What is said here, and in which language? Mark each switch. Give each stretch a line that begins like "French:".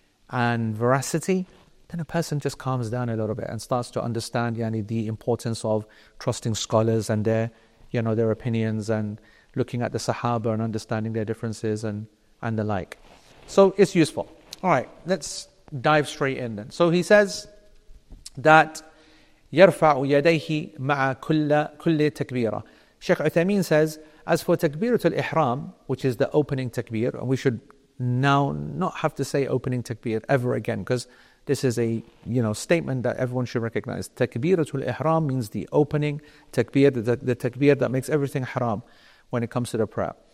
English: and veracity, then a person just calms down a little bit and starts to understand the importance of trusting scholars and their opinions and looking at the Sahaba and understanding their differences and the like. So it's useful. All right, let's dive straight in then. So he says that
Arabic: يَرْفَعُ يَدَيْهِ مَعَ كُلِّ تَكْبِيرًا.
English: Sheikh Uthaymeen says, as for takbiratul ihram, which is the opening takbir, and we should now not have to say opening takbir ever again, because this is a statement that everyone should recognize. Takbiratul ihram means the opening takbir, the takbir that makes everything haram when it comes to the prayer.